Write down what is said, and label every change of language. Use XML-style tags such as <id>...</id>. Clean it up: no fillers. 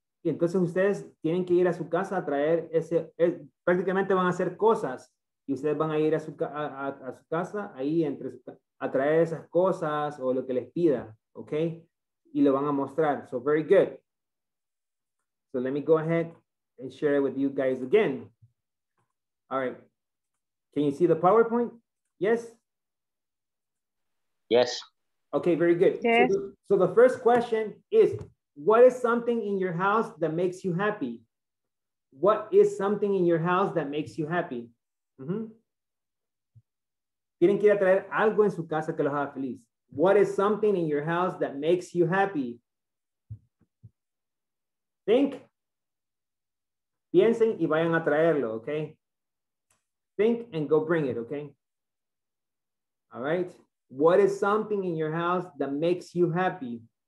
<es>Y entonces ustedes tienen que ir a su casa a traer ese, prácticamente van a hacer cosas, y ustedes van a ir a su casa, ahí entre, a traer esas cosas o lo que les pida, okay? Y lo van a mostrar,</es> <en>so very good. So let me go ahead and share it with you guys again. All right, can you see the PowerPoint? Yes? Yes. Okay, very good. Yes. So the first question is, what is something in your house that makes you happy? What is something in your house that makes you happy?</en> <es>Tienen que ir a traer algo en su casa que los haga feliz.</es> <en>What is something in your house that makes you happy? Think.</en> <es>Piensen y vayan a traerlo, okay?</es> <en>Think and go bring it, okay? All right. What is something in your house that makes you happy?</en>